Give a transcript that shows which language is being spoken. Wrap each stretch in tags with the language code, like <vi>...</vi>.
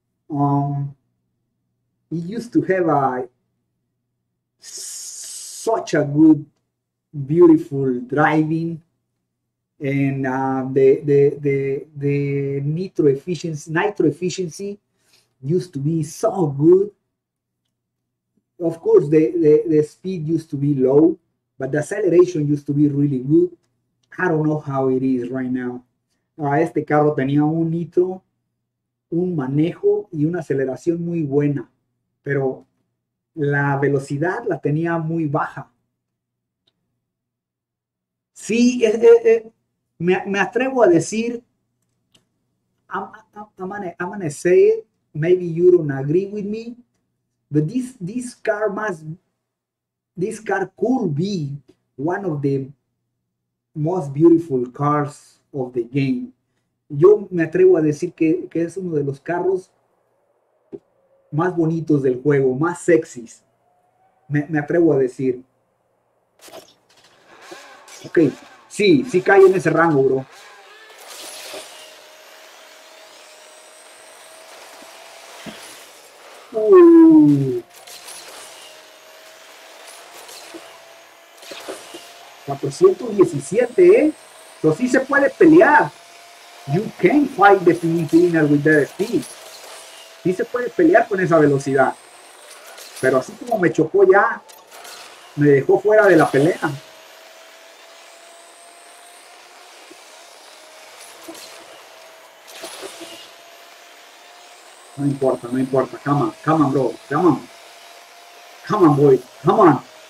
<en>It used to have such a good, beautiful driving, and the nitro efficiency used to be so good. Of course, the speed used to be low, but the acceleration used to be really good. I don't know how it is right now.</en> <es>Este carro tenía un nitro, un manejo y una aceleración muy buena, pero la velocidad la tenía muy baja. Sí, me atrevo a decir,</es> <en>I'm gonna say it, maybe you don't agree with me, but this car could be one of the most beautiful cars of the game.</en> <es>Yo me atrevo a decir que es uno de los carros más bonitos del juego, más sexys. Me atrevo a decir. Ok, sí cae en ese rango, bro. Uy. 417, ¿eh?</es> <en>So</en> <es>sí se puede pelear.</es> <en>You can fight the Filipina with that speed.</en> <es>Sí se puede pelear con esa velocidad. Pero así como me chocó ya, me dejó fuera de la pelea. No importa, no importa.</es> <en>Come on, come on, bro. Come on. Come on, boy. Come on.</en>